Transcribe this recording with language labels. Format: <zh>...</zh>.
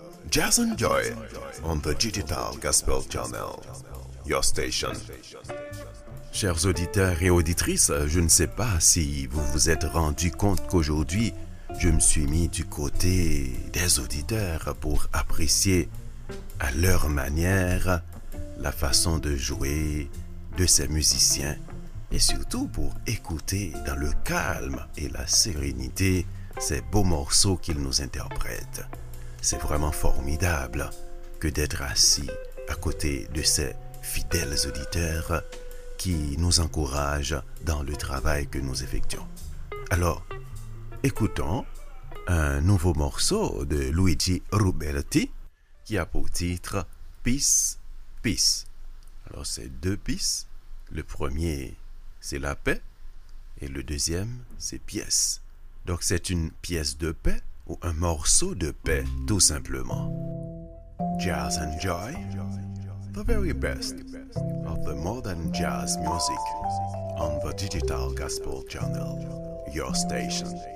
<en>Jazz and Joy on the Digital Gospel Channel, your station.</en> <fr>Chers auditeurs et auditrices, je ne sais pas si vous vous êtes rendu compte qu'aujourd'hui, je me suis mis du côté des auditeurs pour apprécier à leur manière la façon de jouer de ces musiciens et surtout pour écouter dans le calme et la sérénité ces beaux morceaux qu'ils nous interprètent. C'est vraiment formidable que d'être assis à côté de ces fidèles auditeurs qui nous encouragent dans le travail que nous effectuons. Alors, écoutons un nouveau morceau de Luigi Ruberti qui a pour titre « Peace, Peace ». Alors, c'est deux « Peace ». Le premier, c'est la paix. Et le deuxième, c'est « Pièce ». Donc, c'est une pièce de paix ou un morceau de paix, tout simplement.</fr> <en>Jazz and Joy, the very best of the modern jazz music on the Digital Gospel Channel, your station.</en>